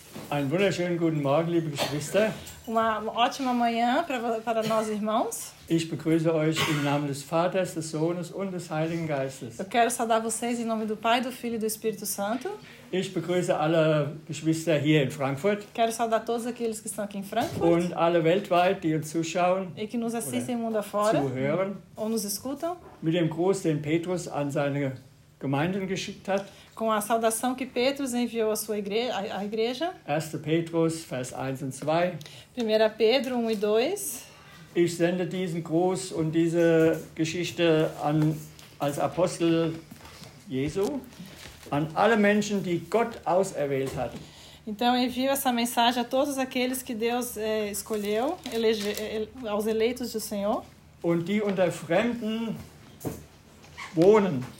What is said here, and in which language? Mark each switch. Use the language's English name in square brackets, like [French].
[German] Einen wunderschönen guten Morgen, liebe Geschwister. [Portuguese] Uma ótima manhã para nós, irmãos. [German] Ich begrüße euch im Namen des Vaters, des Sohnes und des Heiligen Geistes. [Portuguese] Eu quero saudar vocês em nome do Pai, do Filho e do Espírito Santo. [German] Ich begrüße alle Geschwister hier in Frankfurt. [Portuguese] Quero saudar todos aqueles que estão aqui em Frankfurt. [German] Und alle weltweit, die uns zuschauen. [Portuguese] E que nos assistem mundo afora. [German] Zuhören. [Portuguese] Ou nos escutam. [German] Mit dem Gruß, den Petrus an seine Gemeinden geschickt hat. [Portuguese] Com a saudação que Petrus enviou à sua igreja, à igreja. [German] 1. Petrus, Vers 1 und 2. [Portuguese] 1. Pedro 1 e 2. [German] Ich sende diesen Gruß und diese Geschichte an als Apostel Jesu an alle Menschen, die Gott auserwählt hat. [Portuguese] Então envio essa mensagem a todos aqueles que Deus escolheu, aos eleitos do Senhor. [German] Und die unter Fremden wohnen.